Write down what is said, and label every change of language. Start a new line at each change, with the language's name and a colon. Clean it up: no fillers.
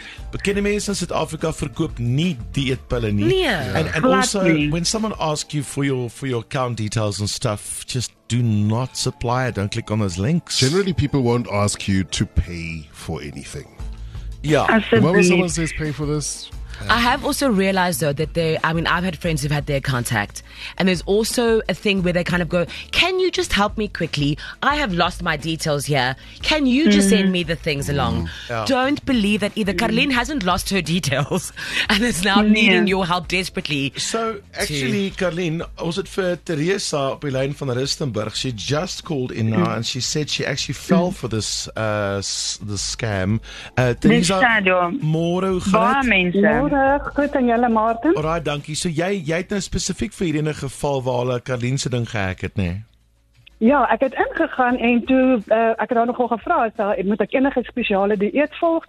Afrikaans: Bekende mense in Suid-Afrika verkoop nie dieetpille nie. Nee.
English: And also, when someone asks you for your account details and stuff, just do not supply it. Don't click on those links. Generally, people won't ask you to pay for anything. Yeah. The moment someone says pay for this... I have also realized, though, that I've had friends who've had their contact, and there's also a thing where they kind of go, can you just help me quickly? I have lost my details here. Can you just send me the things along? Yeah. Don't believe that either. Karlien hasn't lost her details and is now needing your help desperately. So, actually, Karlien, was it for Teresa
Afrikaans: op die lyn van Rustenburg?
English: She just called in now, and she said she actually fell for this the scam.
Afrikaans: Teresa, morgen, hoe gaat het? Goed, en jylle, Martin?
English: Alright,
Afrikaans: dankie. So, jy het nou specifiek vir hierdie geval waar hulle Karlien se ding gehack het, nee? Ja, ek het ingegaan en toe, ek het daar nogal gevra, moet ek enige speciale dieet volg?